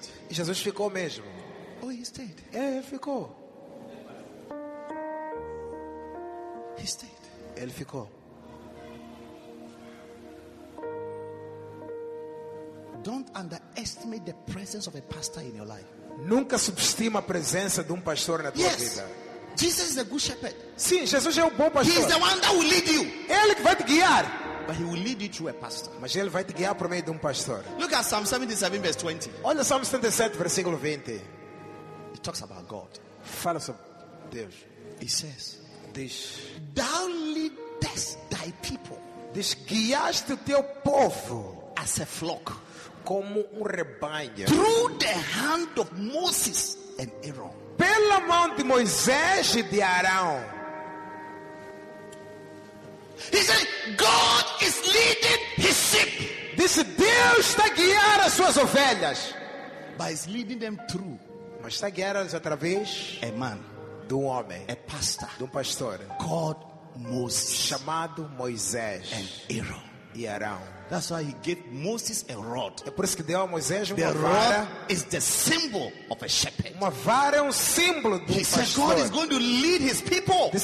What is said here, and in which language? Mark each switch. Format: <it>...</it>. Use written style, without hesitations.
<pt>Jesus ficou mesmo.</pt> <en>Oh, he stayed.</en> <pt>Ele ficou.</pt> <en>He stayed.</en> <pt>Ele ficou.</pt> <en>Don't underestimate the presence of a pastor in your life.</en> <pt>Nunca subestime a presença de pastor na tua</pt> <en>yes.</en> <pt>vida.</pt> <en>Jesus is a good shepherd.</en> <pt>Sim, Jesus é bom pastor.</pt> <en>He is the one that will lead you.</en> <pt>Ele que vai te guiar.</pt> <en>But he will lead you through a pastor.</en> <pt>Mas ele vai te guiar por meio de pastor.</pt> <en>Look at Psalm 77, verse 20.</en> <pt>Olha Psalm 77, versículo 20.</pt> <en>It talks about God.</en> <pt>Fala sobre Deus.</pt> <en>He says,</en> <pt>diz,</pt> <en>thou leadest thy people.</en> <pt>Diz, guiaste o teu povo.</pt> <en>As a flock.</en> <pt>Como rebanho.</pt> <en>Through the hand of Moses and Aaron.</en> <pt>Pela mão de Moisés e de Arão.</pt> <en>He said, God is leading his sheep.</en> <pt>Disse, Deus está a guiar as suas ovelhas.</pt> <en>But he's leading them through.</en> <pt>Mas está a guiar-as através.</pt> <en>A man.</en> <pt>De um homem.</pt> <en>A pastor.</en> <pt>De pastor.</pt> <en>Called Moses.</en> <pt>Chamado Moisés.</pt> <en>And Aaron.</en> <pt>E Arão.</pt> <en>That's why he gave Moses a rod.</en> <pt>É por isso que deu a Moisés uma</pt> <en>the</en> <pt>vara.</pt> <en>Rod is the symbol of a shepherd.</en> <pt>Uma vara é símbolo do</pt> <en>he</en> <pt>pastor.</pt> <en>Said God is going to lead his people.</en>